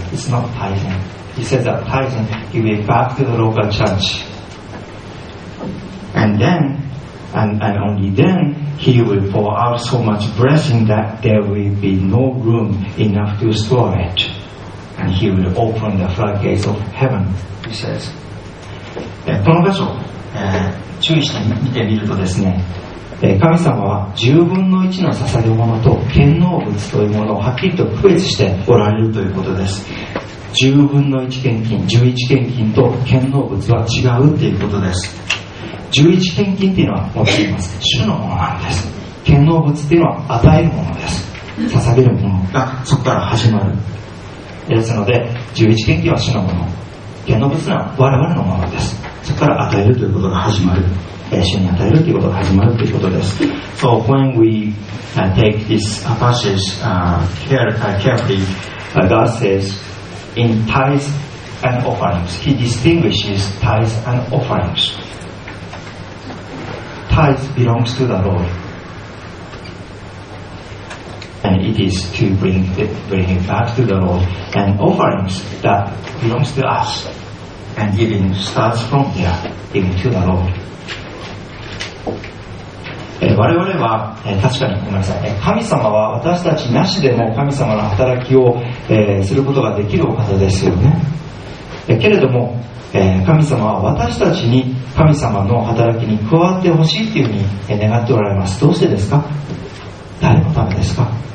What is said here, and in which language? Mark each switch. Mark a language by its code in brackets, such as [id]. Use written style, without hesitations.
[en] It's not tithing. He says that tithing, give it back to the local church. And then, and only then, he will pour out so much blessing that there will be no room enough to store it. And he will open the floodgates of heaven, he says. [ja] この箇所、注意して見てみるとですね、神様は10分の1の捧げ物と献納物というものをはっきりと区別しておられるということです。 10分の1献金、11献金と献納物は違うということです。 11献金というのは持っています、主のものなんです。献納物というのは与えるものです。捧げるものがそこから始まる。ですので11献金は主のもの、献納物は我々のものです。そこから与えるということが始まる、主に与えるということが始まるということです。 [en] So when we take this passage carefully, God says in tithes and offerings, he distinguishes tithes and offerings. Tithes belongs to the Lord, and it is to bring it back to the Lord, and offerings that belongs to us. And giving starts from there, giving to the Lord. [ja] 我々は、確かにごめんなさい、神様は私たちなしでも神様の働きを、することができるお方ですよね。けれども、神様は私たちに神様の働きに加わってほしいというふうに、願っておられます。どうしてですか？誰のためですか？